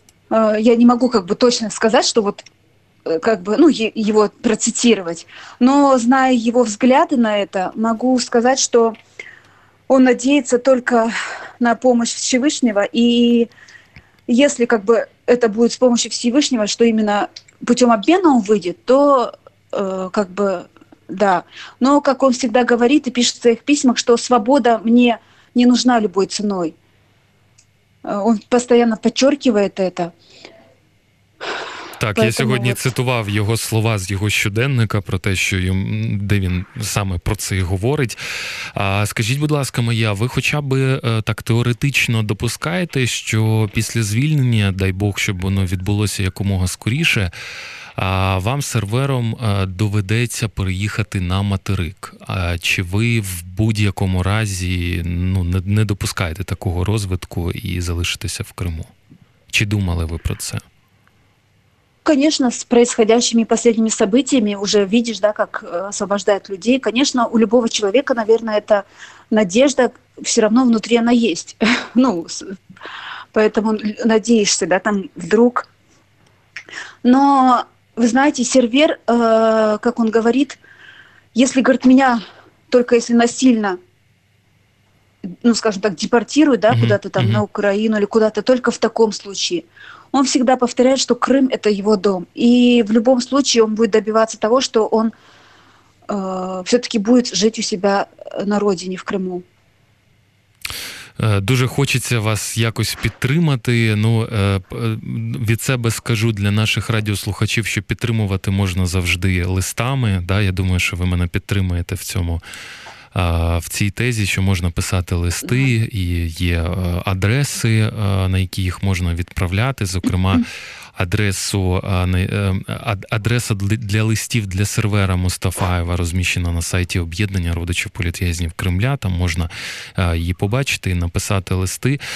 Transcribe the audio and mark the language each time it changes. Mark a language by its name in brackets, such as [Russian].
[Russian] Я не могу как бы точно сказать, что вот как бы, ну, его процитировать, но зная его взгляды на это, могу сказать, что он надеется только на помощь Всевышнего, и если как бы это будет с помощью Всевышнего, что именно путем обмена он выйдет, то как бы да. Но как он всегда говорит и пишет в своих письмах, что свобода мне не нужна любой ценой. Он постоянно подчеркивает это. [Ukrainian] Так, [Russian] поэтому [Ukrainian] я сьогодні вот цитував його слова з його щоденника про те, що їм, де він саме про це і говорить. А скажіть, будь ласка, моя, ви хоча б так теоретично допускаєте, що після звільнення, дай Бог, щоб воно відбулося якомога скоріше, а вам сервером доведеться переїхати на материк? А чи ви в будь-якому разі, ну, не допускаєте такого розвитку і залишитеся в Криму? Чи думали ви про це? [Russian] Конечно, с происходящими последними событиями уже видишь, да, как освобождают людей. Конечно, у любого человека, наверное, эта надежда все равно внутри она есть. Ну, поэтому надеешься, да, там вдруг. Но, вы знаете, сервер, как он говорит, если, говорит, меня только если насильно, ну, скажем так, депортируют, да, куда-то там на Украину или куда-то, только в таком случае. Он всегда повторяет, что Крым – это его дом. И в любом случае он будет добиваться того, что он все-таки будет жить у себя на родине, в Крыму. [Ukrainian] Дуже хочеться вас якось підтримати. Ну, від себе скажу для наших радіослухачів, що підтримувати можна завжди листами. Да? Я думаю, що ви мене підтримуєте в цьому, в цій тезі, що можна писати листи, і є адреси, на які їх можна відправляти, зокрема, адресу, адреса для листів для сервера Мустафаєва розміщена на сайті об'єднання родичів політв'язнів Кремля, там можна її побачити і написати листи.